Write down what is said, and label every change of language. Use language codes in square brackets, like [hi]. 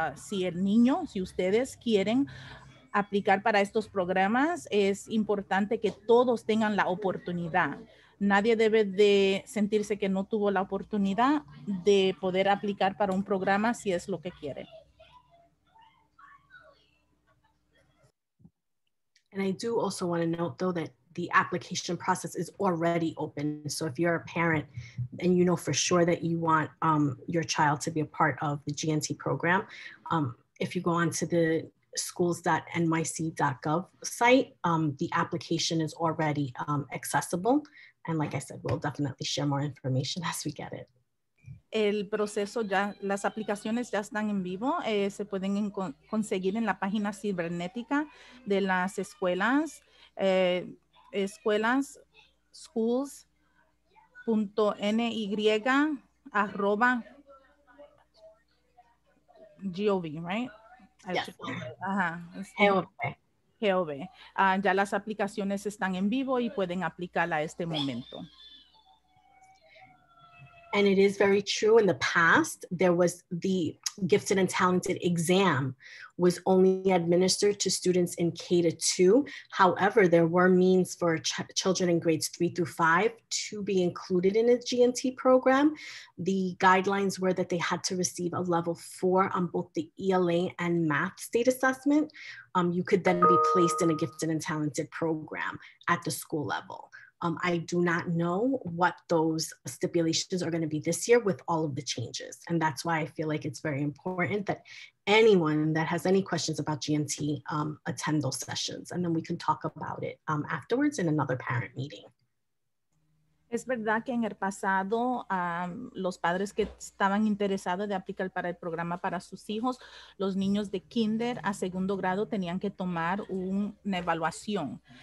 [es] Si el niño, si ustedes quieren aplicar para estos programas, es importante que todos tengan la oportunidad. Nadie debe de sentirse que no tuvo la oportunidad de poder aplicar para un programa si es lo que quiere. [en] And I do also want to note, though, that the application process is already open. So if you're a parent and you know for sure that you want your child to be a part of the GNT program, if you go onto the schools.nyc.gov site, the application is already accessible. And like I said, we'll definitely share more information as we get it. [es] El proceso ya, las aplicaciones ya están en vivo. Se pueden conseguir en la página cibernética de las escuelas, escuelasschools.ny@gov, [en] right? Yeah. Ajá. [es] Ya las aplicaciones están en vivo y pueden aplicar a este momento. [en] And it is very true. In the past, there was the gifted and talented exam was only administered to students in K to two. However, there were means for children in grades 3 through 5 to be included in a GNT program. The guidelines were that they had to receive a level 4 on both the ELA and math state assessment. You could then be placed in a gifted and talented program at the school level. I do not know what those stipulations are going to be this year with all of the changes. And that's why I feel like it's very important that anyone that has any questions about GNT attend those sessions. And then we can talk about it afterwards in another parent meeting. [es] Es verdad que en el pasado los padres que estaban interesados de aplicar para el programa para sus hijos, los niños de kinder a segundo grado tenían que tomar una evaluación.